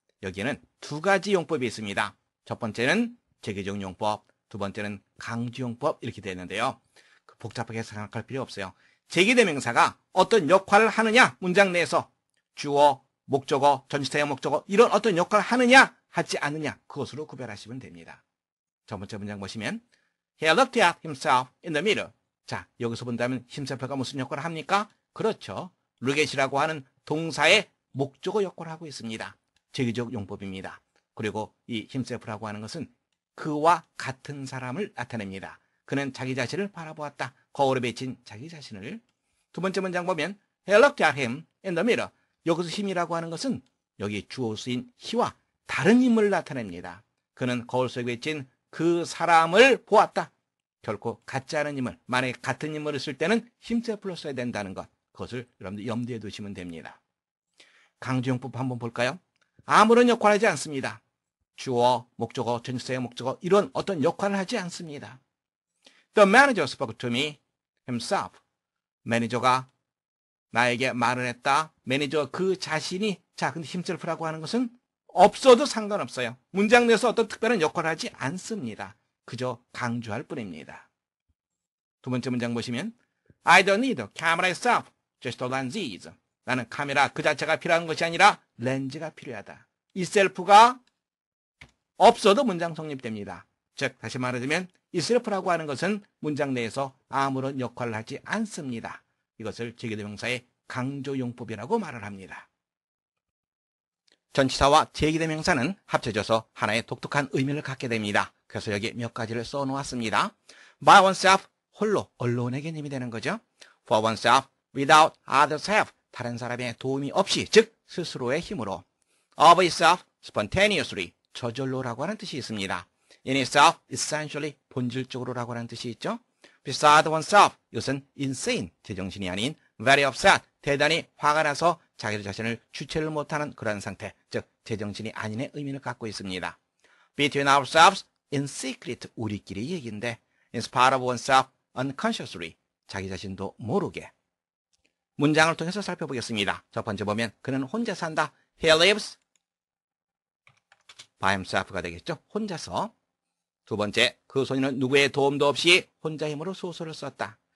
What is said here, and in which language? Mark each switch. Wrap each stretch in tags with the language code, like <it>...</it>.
<ko>여기에는 두 가지 용법이 있습니다. 첫 번째는 제기적 용법, 두 번째는 강조 용법 이렇게 되는데요. 복잡하게 생각할 필요 없어요. 제기 대명사가 어떤 역할을 하느냐, 문장 내에서 주어, 목적어, 전치사의 목적어 이런 어떤 역할을 하느냐, 하지 않느냐, 그것으로 구별하시면 됩니다. 첫 번째 문장 보시면</ko> <en>He looked at himself in the mirror.</en> <ko>자, 여기서 본다면 himself가 무슨 역할을 합니까? 그렇죠. look at이라고 하는 동사의 목적어 역할을 하고 있습니다. 제기적 용법입니다. 그리고 이 himself라고 하는 것은 그와 같은 사람을 나타냅니다. 그는 자기 자신을 바라보았다. 거울에 비친 자기 자신을. 두 번째 문장 보면</ko> <en>He looked at him in the mirror.</en> <ko>여기서 him이라고 하는 것은 여기 주어 쓰인 he와 다른 인물을 나타냅니다. 그는 거울 속에 비친 그 사람을 보았다. 결코 같지 않은 인물, 만약에 같은 인물을 쓸 때는 힘세플로 써야 된다는 것, 그것을 여러분들 염두에 두시면 됩니다. 강조용법 한번 볼까요? 아무런 역할을 하지 않습니다. 주어, 목적어, 전치사의 목적어 이런 어떤 역할을 하지 않습니다.</ko> <en>The manager spoke to me himself.</en> <ko>매니저가 나에게 말을 했다. 매니저 그 자신이. 자, 근데 힘세플라고 하는 것은 없어도 상관없어요. 문장 내에서 어떤 특별한 역할을 하지 않습니다. 그저 강조할 뿐입니다. 두 번째 문장 보시면</ko> <en>I don't need a camera itself, just a lenses.</en> <ko>나는 카메라 그 자체가 필요한 것이 아니라 렌즈가 필요하다. 이셀프가 없어도 문장 성립됩니다. 즉, 다시 말하자면 이셀프라고 하는 것은 문장 내에서 아무런 역할을 하지 않습니다. 이것을 제기대명사의 강조용법이라고 말을 합니다. 전치사와 제기대명사는 합쳐져서 하나의 독특한 의미를 갖게 됩니다. 그래서 여기 몇 가지를 써놓았습니다.</ko> <en>By oneself,</en> <ko>홀로, alone의 개념이 되는 거죠.</ko> <en>For oneself, without others' help,</en> <ko>다른 사람의 도움이 없이, 즉, 스스로의 힘으로.</ko> <en>Of itself, spontaneously,</en> <ko>저절로라고 하는 뜻이 있습니다.</ko> <en>In itself, essentially,</en> <ko>본질적으로라고 하는 뜻이 있죠.</ko> <en>Beside oneself,</en> <ko>이것은</ko> <en>insane,</en> <ko>제정신이 아닌,</ko> <en>very upset,</en> <ko>대단히 화가 나서 자기 자신을 주체를 못하는 그런 상태, 즉, 제정신이 아닌의 의미를 갖고 있습니다.</ko> <en>Between ourselves, In secret,</en> <ko>우리끼리 얘기인데,</ko> <en>in spite of oneself, unconsciously,</en> <ko>자기 자신도 모르게. 문장을 통해서 살펴보겠습니다. 첫 번째 보면, 그는 혼자 산다.</ko> <en>He lives by himself가</en> <ko>되겠죠. 혼자서. 두 번째, 그 소녀는 누구의 도움도 없이 혼자 힘으로 소설을 썼다.</ko>